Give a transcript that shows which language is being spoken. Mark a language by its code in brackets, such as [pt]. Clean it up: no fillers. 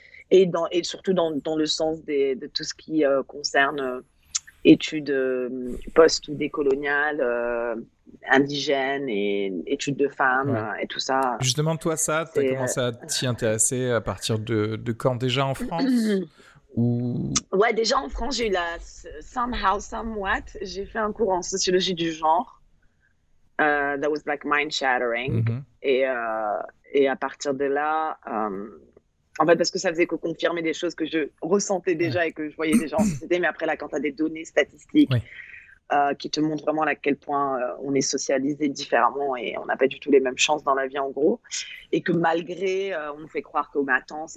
[fr] Et surtout dans le sens de tout ce qui concerne études post ou décoloniales, indigènes et études de Ouais. femmes et tout ça. Justement, toi, ça, t'as commencé à t'y intéresser à partir de quand déjà en France? Ou. Ouais, déjà en France, j'ai eu la [en] somehow, somewhat, [fr] j'ai fait un cours en sociologie du genre. [en] That was like mind-shattering. [fr] Et à partir de là, en fait, parce que ça faisait que confirmer des choses que je ressentais déjà et que je voyais déjà en société, mais après là, quand tu as des données statistiques qui te montrent vraiment à quel point on est socialisé différemment et on n'a pas du tout les mêmes chances dans la vie, en gros, et que malgré, on nous fait croire que, mais attends,